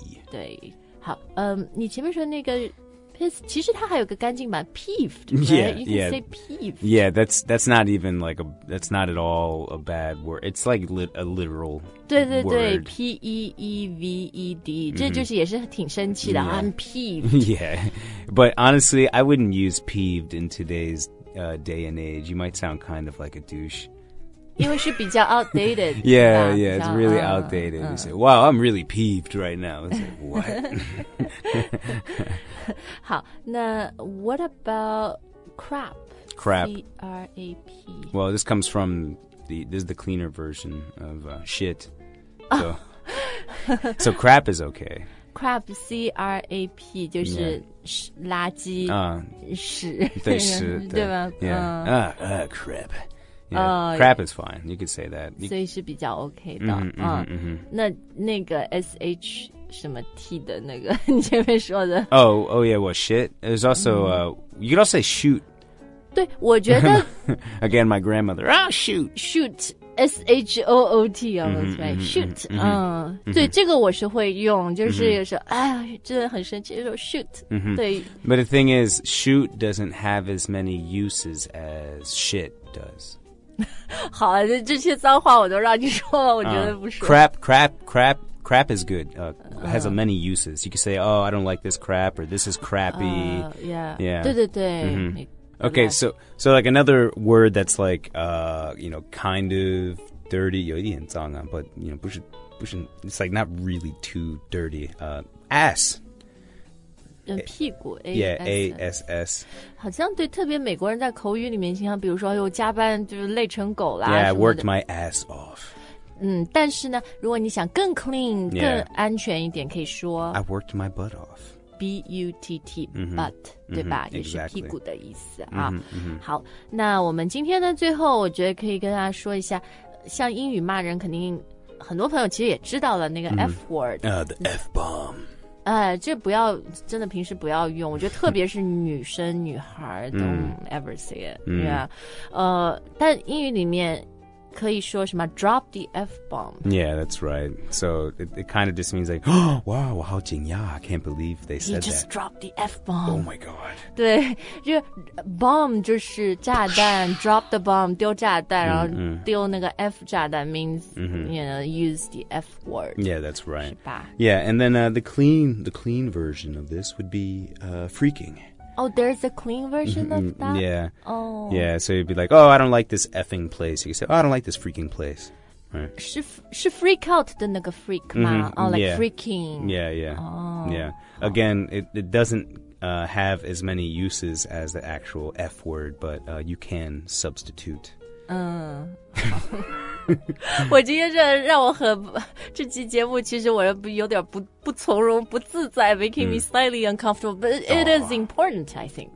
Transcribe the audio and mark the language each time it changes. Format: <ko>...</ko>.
<zh>对，好，你前面说那个 piss, 其实它还有个干净版 peeved, right?</zh> <en>Yeah, you can say peeved. Yeah, that's not even like a, that's not at all a bad word. It's like a literal</en> <zh>对对对</zh> <en>word. P-E-E-V-E-D,、mm-hmm.</en> <zh>这就是也是挺生气的、yeah.</zh> <en>I'm peeved. Yeah, but honestly, I wouldn't use peeved in today's、day and age. You might sound kind of like a douche.</en> <zh>因为是比较 outdated.</zh> <en>Yeah, yeah, it's really outdated. You say, wow, I'm really peeved right now. It's like, what?</en> <zh>好，那</zh> <en>what about crap? Crap. C-R-A-P. Well, this comes from, this is the cleaner version of shit. So crap is okay. Crap, C-R-A-P, 就是、yeah.</en> <zh>垃圾、屎。对，屎。对吧</zh> <en>yeah. Crap. Yeah, crap is fine. You could say that.</en> <zh>所以是比较 OK 的。那个 SH 什么 T 的那个你前面说的。</zh> <en>Oh yeah, well, shit. There's also,、you could also say shoot.</en> <zh>对我觉得。</zh> <en>Again, my grandmother. Ah, shoot. Shoot. S-H-O-O-T, almost、mm-hmm, right. Mm-hmm, shoot.</en> <zh>Mm-hmm,、对这个我是会用就是有时候、mm-hmm. 哎呀真的很生气说 shoot.、 Mm-hmm. 对。</zh> <en>But the thing is, shoot doesn't have as many uses as shit does.</en> <zh>好啊这些脏话我都让你说了我觉得不是、</zh> <en>crap is good has many uses you could say oh I don't like this crap or this is crappy</en> <zh>yeah 对对对、mm-hmm.</zh> <en>okay so like another word that's like you know kind of dirty</en> <zh>有一点脏啊</zh> <en>but you know</en> <zh>不是</zh> <en>it's like not really too dirty ass</en> <zh>屁股 A-S-S.</zh> <en>Yeah, A-S-S</en> <zh>好像对特别美国人在口语里面像比如说又加班就是累成狗啦</zh> <en>Yeah, I worked my ass off</en> <zh>但是呢如果你想更 clean、yeah. 更安全一点可以说</zh> <en>I worked my butt off B-U-T-T、mm-hmm. butt 对吧、 mm-hmm.</en> <zh>也是屁股的意思啊。 Mm-hmm. Mm-hmm. 好那我们今天呢最后我觉得可以跟大家说一下像英语骂人肯定很多朋友其实也知道了那个 F word、</zh> <en>mm-hmm. The F bomb</en> <zh>这不要真的平时不要用我觉得特别是女生女孩</zh> <en>don't ever say it、 mm. yeah.</en> <zh>但英语里面可以说什么 drop the F-bomb</zh> <en>yeah that's right so it kind of just means like、oh, wow</en> <zh>我好惊讶</zh> <en>I can't believe they said that you just dropped the F-bomb oh my god</en> <zh>对就 bomb 就是炸弹 drop the bomb 丢炸弹然后丢那个 F 炸弹 means、mm-hmm.</zh> <en>you know use the F word yeah that's right</en> <zh>是吧</zh> <en>yeah and then the clean version of this would be freaking Oh, there's a clean version of that? Yeah. Oh. Yeah, so you'd be like, oh, I don't like this effing place. You say, oh, I don't like this freaking place. Right.</en> <zh>是 freak out 的那个 freak 吗?</zh> <en>Mm-hmm. Oh, like yeah. freaking. Yeah, yeah. Oh. Yeah. Again, it doesn'thave as many uses as the actual F word, butyou can substitute.</en> <zh>我今天这让我很这期节目其实我有点不从容不自在</zh> <en>making me slightly uncomfortable but it is important I think、</en>